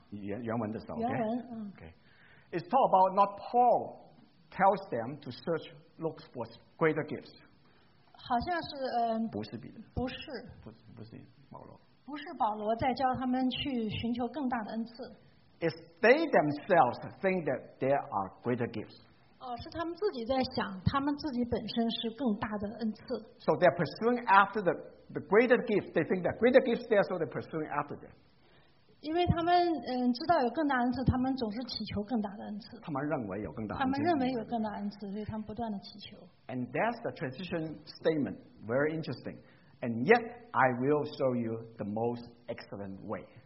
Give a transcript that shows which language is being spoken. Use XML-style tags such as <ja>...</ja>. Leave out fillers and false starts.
<zh>原文的时候。原文，</zh> <en>Okay. It's talk about not Paul tells them to search, look for greater gifts.</en> <zh>好像是不是保罗在教他们去寻求更大的恩赐。</zh> <en>It's they themselves think that there are greater gifts.</en> <zh>是他们自己在想，他们自己本身是更大的恩赐。</zh> <en>So they're pursuing after the greater gifts. They think that greater gifts there, so they're pursuing after them.</en> <zh>因为他们知道有更大恩赐，他们总是祈求更大的恩赐。他们认为有更大恩赐。他们认为有更大恩赐，所以他们不断的祈求。</zh> <en>And that's the transition statement. Very interesting. And yet, I will show you the most excellent way.</en>